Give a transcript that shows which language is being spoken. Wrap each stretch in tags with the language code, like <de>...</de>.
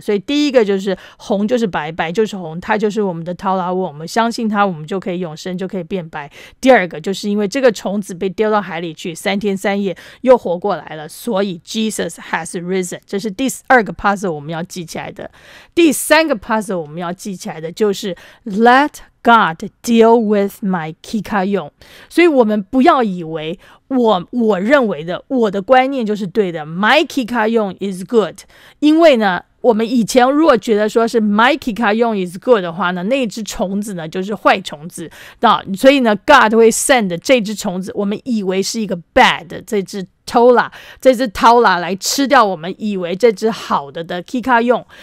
<zh>所以第一个就是红就是白，白就是红，它就是我们的 Taula， 我们相信它我们就可以永生，就可以变白。第二个就是因为这个虫子被丢到海里去三天三夜又活过来了，所以</zh> <en>Jesus has risen，</en> <zh>这是第二个 puzzle 我们要记起来的。第三个 puzzle 我们要记起来的就是</zh> <en>Let God deal with my Kikayon。</en> <zh>所以我们不要以为我认为的我的观念就是对的，</zh> <en>My Kikayon is good。</en> <zh>因为呢我们以前如果觉得说是</zh> <en>My Kikayon is good</en> <zh>的话呢，那只虫子呢就是坏虫子，所以呢 God 会 send 这只虫子，我们以为是一个 bad 这只Taula， 这只 Taula 来吃掉我们以为这只好的的 Kikayon。</zh>